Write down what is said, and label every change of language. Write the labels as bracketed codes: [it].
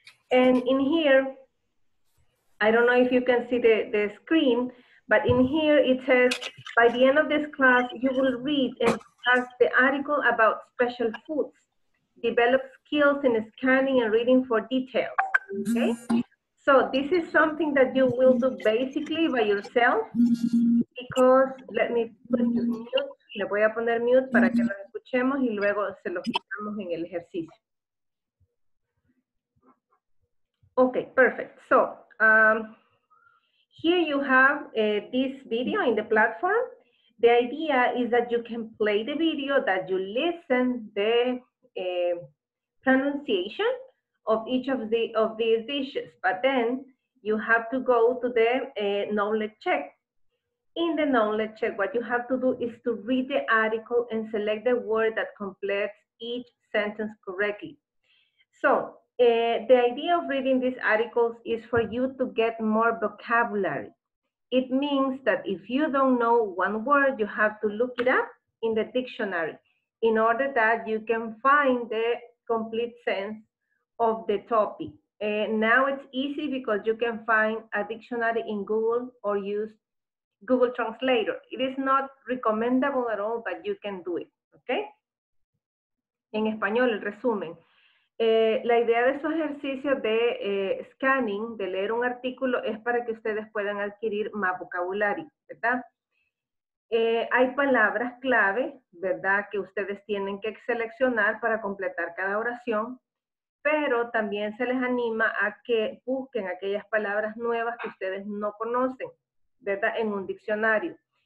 [en] And in here, I don't know if you can see the screen, but in here it says, by the end of this class, you will read and discuss the article about special foods. Develop skills in scanning and reading for details, okay? So this is something that you will do basically by yourself, because let me put you in mute. [es] Le voy a poner mute para que lo escuchemos y luego se lo quitamos en el ejercicio. [en] Okay, perfect. So, here you have this video in the platform. The idea is that you can play the video, that you listen the pronunciation of each of the of these dishes, but then you have to go to the knowledge check. In the knowledge check, what you have to do is to read the article and select the word that completes each sentence correctly. So the idea of reading these articles is for you to get more vocabulary. It means that if you don't know one word, you have to look it up in the dictionary in order that you can find the complete sense of the topic. Now it's easy because you can find a dictionary in Google or use Google Translator. It is not recommendable at all, but you can do it, okay? [es] En español, el resumen. La idea de estos ejercicios de scanning, de leer un artículo, es para que ustedes puedan adquirir más vocabulario, ¿verdad? Hay palabras clave, ¿verdad?, que ustedes tienen que seleccionar para completar cada oración, pero también se les anima a que busquen aquellas palabras nuevas que ustedes no conocen, ¿verdad?, en un diccionario.